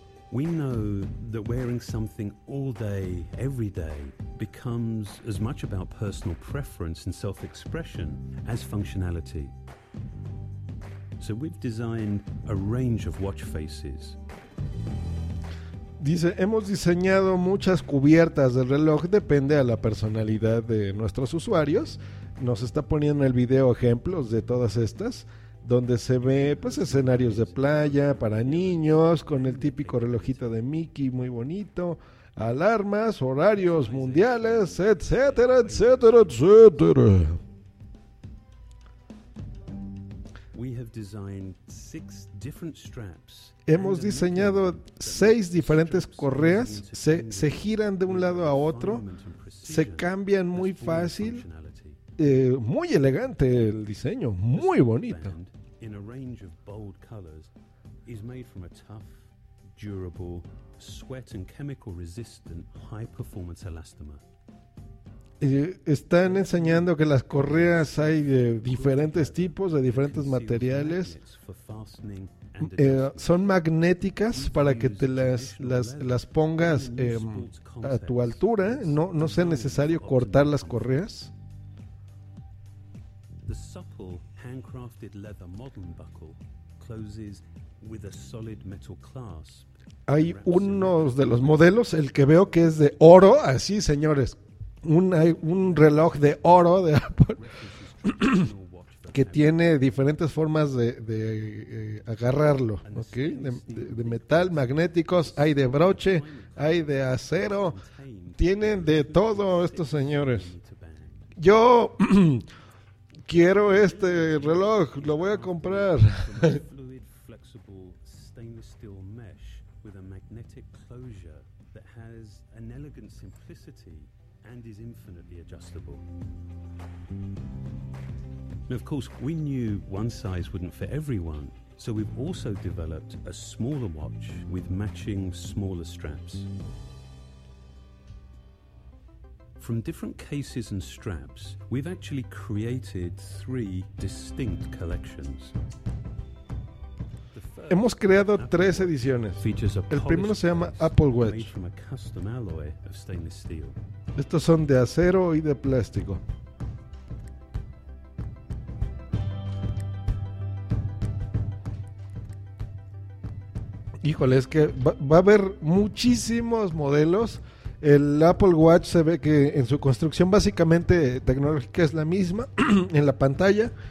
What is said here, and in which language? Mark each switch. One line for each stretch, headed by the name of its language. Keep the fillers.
English: We know that wearing something all day, every day, becomes as much about personal preference and self expression as functionality. So we've designed a range of watch faces.
Spanish: Dice, hemos diseñado muchas cubiertas del reloj, depende a la personalidad de nuestros usuarios. Nos está poniendo en el video ejemplos de todas estas, donde se ve pues escenarios de playa para niños, con el típico relojito de Mickey muy bonito, alarmas, horarios mundiales, etcétera, etcétera, etcétera.
English: We have designed six different straps
Spanish: Hemos diseñado seis diferentes correas, se, se giran de un lado a otro, se cambian muy fácil, eh, muy elegante el diseño, muy bonito.
English: in a range of bold colors is made from a tough, durable, sweat and chemical resistant high performance elastomer.
Spanish: Eh, están enseñando que las correas hay de diferentes tipos, de diferentes materiales.
English: For fastening and
Spanish: Eh, son magnéticas para que te las, las, las pongas eh, a tu altura, no, no sea necesario cortar las correas.
English: The supple handcrafted leather modern buckle closes with a solid metal clasp.
Spanish: Hay unos de los modelos, el que veo que es de oro, así señores, un, hay un reloj de oro de Apple
English: traditional watch for
Spanish: que tiene diferentes formas de, de, eh, agarrarlo, ¿ok? De, de- de metal, magnéticos, hay de broche, hay de acero, tienen de todo estos señores.
English: to bang.
Spanish: Yo quiero este reloj, lo voy a comprar.
English: From a fluid, flexible stainless steel mesh with a magnetic closure that has an elegant simplicity and is infinitely adjustable. Now, of course, we knew one size wouldn't fit everyone, so we've also developed a smaller watch with matching smaller straps. From different cases and straps, we've actually created three distinct collections. The first
Spanish: Hemos creado tres ediciones.
English: features a
Spanish: El primero
English: polished
Spanish: se llama
English: base
Spanish: Apple
English: made
Spanish: Watch.
English: from a custom alloy of stainless steel.
Spanish: Estos son de acero y de plástico. Híjole, es que va, va a haber muchísimos modelos. El Apple Watch se ve que en su construcción básicamente eh, tecnológica es la misma en la pantalla.